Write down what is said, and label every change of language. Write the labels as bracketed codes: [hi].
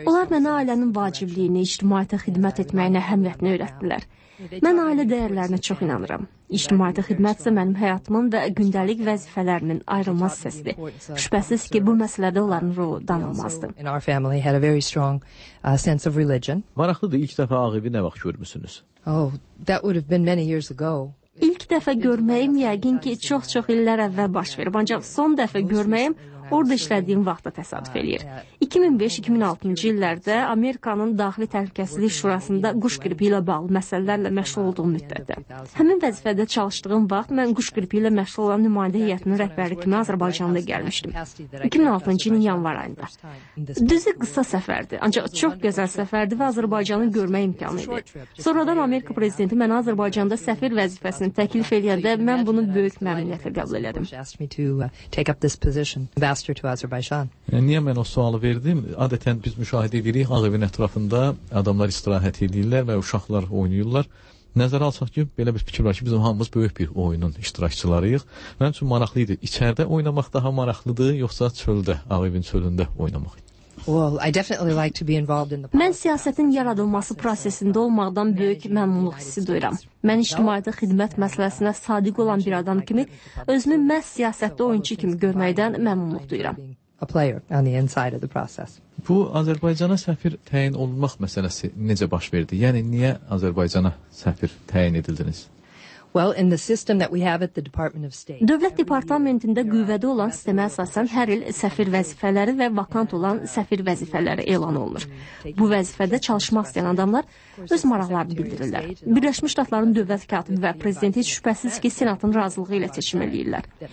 [az] Onlar mənə ailənin vacibliyini, ictimaiyyətə xidmət etməyinə əhəmiyyətini öyrətdilər. Mən ailə dəyərlərinə çox inanıram. İctimai xidmət isə mənim həyatımın və gündəlik vəzifələrimin ayrılmaz hissəsidir. Şübhəsiz ki, bu məsələdə onların rolu danılmazdır. Maraqlıdır, ilk dəfə Ağibi nə vaxt görmüşsünüz? [en] Oh, that would have been many years ago. [az] İlk dəfə görməyim yəqin ki, çox-çox illər əvvəl baş verib, ancaq son dəfə görməyim orada işlədiyim vaxtda təsadüf eləyir. 2005-2006-cı illərdə Amerikanın Daxili Təhlükəsizlik Şurasında quş qripi ilə bağlı məsələlərlə məşğul olduğum müddətdə. Həmin vəzifədə çalışdığım vaxt mən quş qripi ilə məşğul olan nümayəndə heyətinin rəhbəri kimi Azərbaycanda gəlmişdim. 2006-cı ilin yanvar ayında. Düzü qısa səfərdir, ancaq çox gözəl səfərdi və Azərbaycanı görmək imkanı idi. Sonradan Amerika prezidenti mənə Azərbaycanda səfir vəzifəsini təklif eləyəndə mən bunu böyük məmnuniyyətlə qəbul elədim. [en] Ambassador to Azerbaijan. [az] Niyə mən o sualı verdim? Adətən biz müşahidə edirik, Ağevin ətrafında adamlar istirahət edirlər və uşaqlar oynayırlar. Nəzərə alsaq ki, belə bir fikir var ki, bizim hamımız böyük bir oyunun iştirakçılarıyıq. Mənim üçün maraqlı idi. İçəridə oynamaq daha maraqlıdır, yoxsa çöldə, Ağevin çölündə oynamaq? [en] Well, I definitely like to be involved in the [az] Mən siyasətin yaradılması prosesində olmaqdan böyük məmnunluq hissi duyuram. Mən ictimaiyyətə xidmət məsələsinə sadiq olan bir adam kimi özümü məhz siyasətdə oyunçu kimi görməkdən məmnunluq duyuram. [en] A player on the inside of the process. [az] Bu Azərbaycana səfir təyin olunmaq məsələsi necə baş verdi? Yəni niyə Azərbaycana səfir təyin edildiniz? [en] Well, in the system that we have at the Department of State. [az] Dövlət departamentində qüvvədə olan sistemə əsasən hər il səfir vəzifələri və vakant olan səfir vəzifələri elan olunur. Bu vəzifədə çalışmaq istəyən adamlar öz maraqlarını bildirirlər. Birləşmiş Ştatların dövlət katibi və prezidenti şübhəsiz ki, Senatın razılığı ilə seçim eləyirlər.